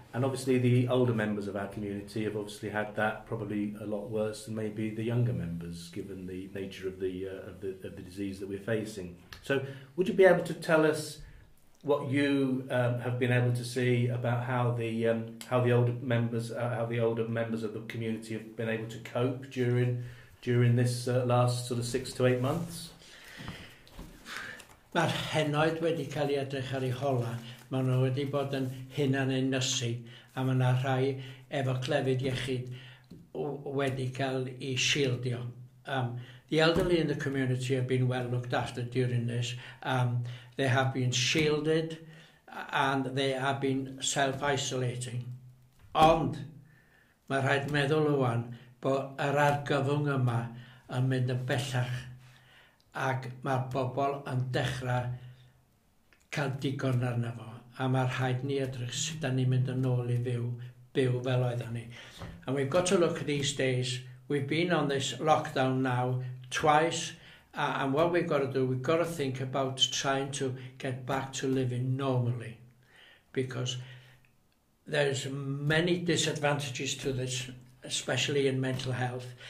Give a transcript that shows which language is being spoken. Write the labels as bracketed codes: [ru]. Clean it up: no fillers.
[en] And obviously the older members of our community have obviously had that probably a lot worse than maybe the younger members, given the nature of the disease that we're facing. So would you be able to tell us what you have been able to see about how the older members of the community have been able to cope during this last sort of 6 to 8 months? [cy] Mae'r henoed wedi cael ei edrych ar ei hola. Maen nhw wedi bod yn hunan ynysu, a maen nhw rhai efo clefyd iechyd wedi cael ei shieldio. [en] The elderly in the community have been well looked after during this. They have been shielded and they have been self-isolating. [cy] Ond, mae rhaid meddwl ywan bod yr argyfwng yma yn mynd yn bellach ac mae'r bobl yn dechrau cael digon arno fo. A mae rhaid ni edrych sut da ni'n mynd yn ôl i fyw, byw fel oeddwn ni. [en] And we've got to look these days. We've been on this lockdown now twice. And what we've got to do, we've got to think about trying to get back to living normally. Because there's many disadvantages to this, especially in mental health.